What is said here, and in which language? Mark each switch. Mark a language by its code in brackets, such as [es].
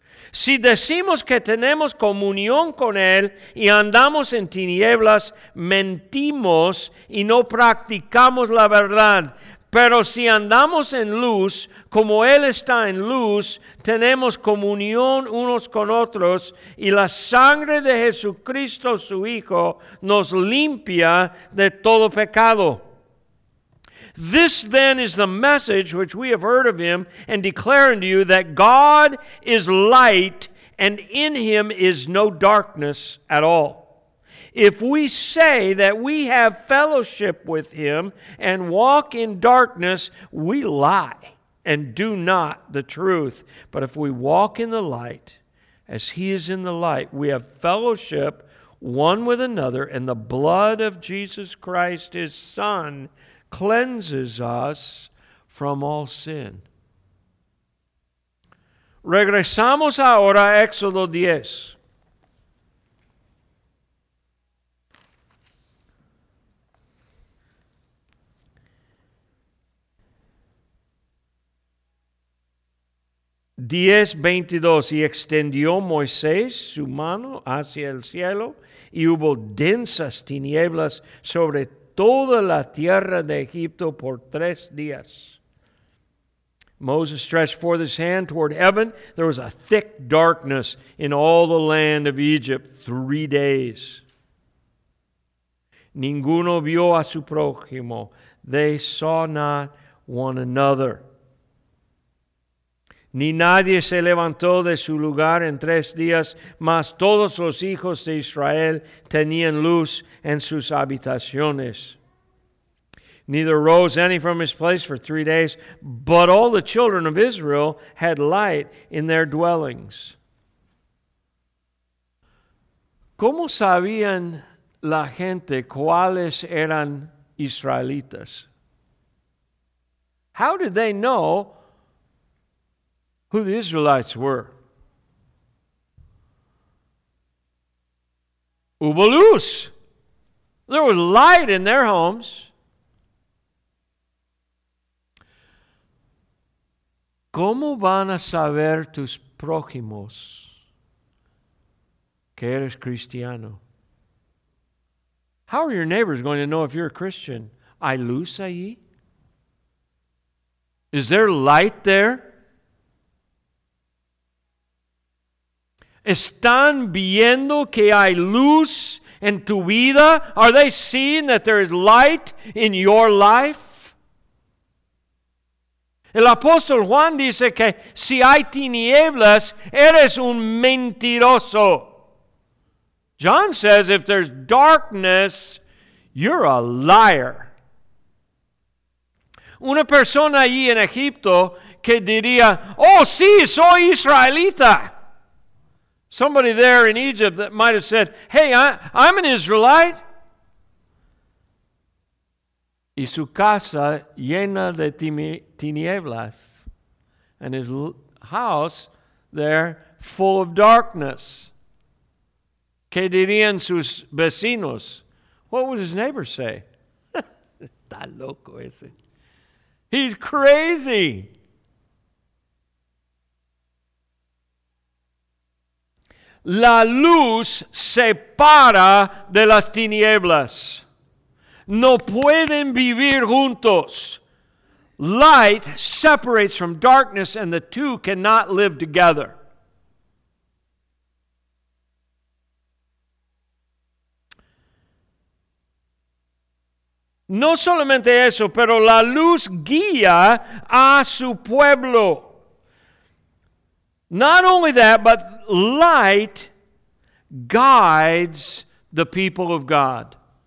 [es] Si decimos que tenemos comunión con él y andamos en tinieblas, mentimos y no practicamos la verdad. Pero si andamos en luz, como él está en luz, tenemos comunión unos con otros y la sangre de Jesucristo, su Hijo, nos limpia de todo pecado. [en] This then is the message which we have heard of him and declare unto you, that God is light and in him is no darkness at all. If we say that we have fellowship with him and walk in darkness, we lie and do not the truth. But if we walk in the light as he is in the light, we have fellowship one with another, and the blood of Jesus Christ, his Son, cleanses us from all sin. [es] Regresamos ahora a Éxodo 10. Y extendió Moisés su mano hacia el cielo, y hubo densas tinieblas sobre toda la tierra de Egipto por 3 días. [en] Moses stretched forth his hand toward heaven. There was a thick darkness in all the land of Egypt 3 days. [es] Ninguno vio a su prójimo. [en] They saw not one another. [es] Ni nadie se levantó de su lugar en 3 días, mas todos los hijos de Israel tenían luz en sus habitaciones. [en] Neither rose any from his place for 3 days, but all the children of Israel had light in their dwellings. [es] ¿Cómo sabían la gente cuáles eran israelitas? [en] How did they know who the Israelites were? [es] Hubo luz. [en] There was light in their homes. [es] ¿Cómo van a saber tus prójimos que eres cristiano? [en] How are your neighbors going to know if you're a Christian? [es] ¿Hay luz allí? [en] Is there light there? [es] ¿Están viendo que hay luz en tu vida? [en] Are they seeing that there is light in your life? [es] El apóstol Juan dice que si hay tinieblas, eres un mentiroso. [en] John says if there's darkness, you're a liar. [es] Una persona allí en Egipto que diría, oh sí, soy israelita. [en] Somebody there in Egypt that might have said, hey, I'm an Israelite. [es] Y su casa llena de tinieblas. [en] And his house there full of darkness. [es] ¿Qué dirían sus vecinos? [en] What would his neighbor say? [es] Está loco ese. [en] He's crazy. [es] La luz separa de las tinieblas. No pueden vivir juntos. [en] Light separates from darkness, and the two cannot live together. [es] No solamente eso, pero la luz guía a su pueblo. [en] Not only that, but light guides the people of God.